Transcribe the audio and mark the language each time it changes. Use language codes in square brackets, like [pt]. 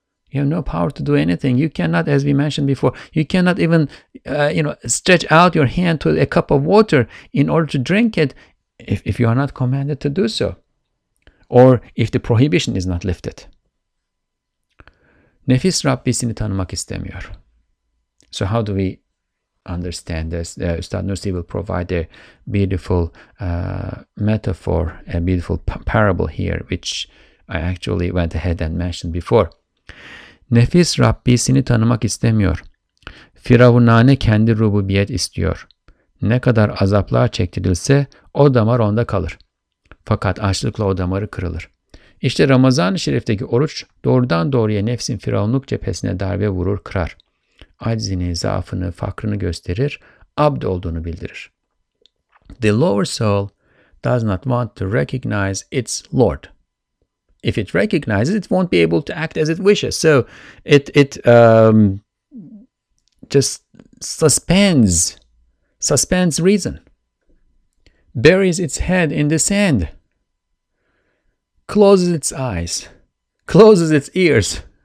[en] You have no power to do anything. You cannot, as we mentioned before, you cannot even stretch out your hand to a cup of water in order to drink it, if you are not commanded to do so, or if the prohibition is not lifted. [tr] Nefis Rabbisini tanımak istemiyor. [en] So how do we understand this? Ustad Nursi will provide a beautiful metaphor, a beautiful parable here, which I actually went ahead and mentioned before. [tr] Nefis Rabbisini tanımak istemiyor. Firavunane kendi rububiyet istiyor. Ne kadar azaplar çektirilse o damar onda kalır. Fakat açlıkla o damarı kırılır. İşte Ramazan-ı Şerif'teki oruç doğrudan doğruya nefsin firavunluk cephesine darbe vurur, kırar. Aczini, zaafını, fakrını gösterir, abd olduğunu bildirir. [en] The lower soul does not want to recognize its Lord. If it recognizes, it won't be able to act as it wishes. So it just suspends reason, buries its head in the sand, closes its eyes, closes its ears.